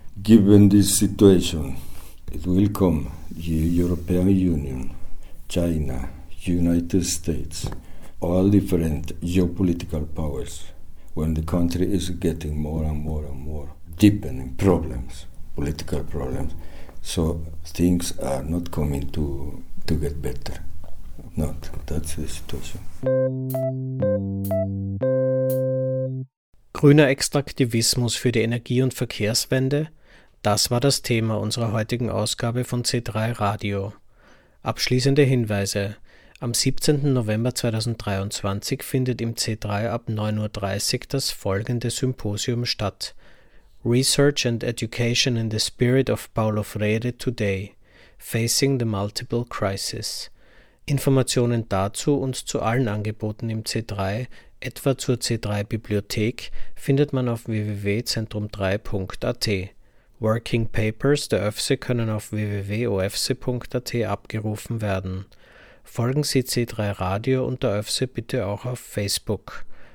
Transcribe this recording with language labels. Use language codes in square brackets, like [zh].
[en] Given this situation, it will come the European Union, China, United States, all different geopolitical powers, when the country is getting more and more and more deepening problems, political problems, so things are not coming to get better. Not, that's the situation. [de] Grüner Extraktivismus für die Energie- und Verkehrswende, das war das Thema unserer heutigen Ausgabe von C3 Radio. Abschließende Hinweise. Am 17. November 2023 findet im C3 ab 9.30 Uhr das folgende Symposium statt. [en] Research and Education in the Spirit of Paulo Freire Today, Facing the Multiple Crisis. [de] Informationen dazu und zu allen Angeboten im C3, etwa zur C3-Bibliothek, findet man auf www.zentrum3.at. Working Papers der ÖFSE können auf www.ofse.at abgerufen werden. Folgen Sie C3 Radio und der ÖFSE bitte auch auf Facebook.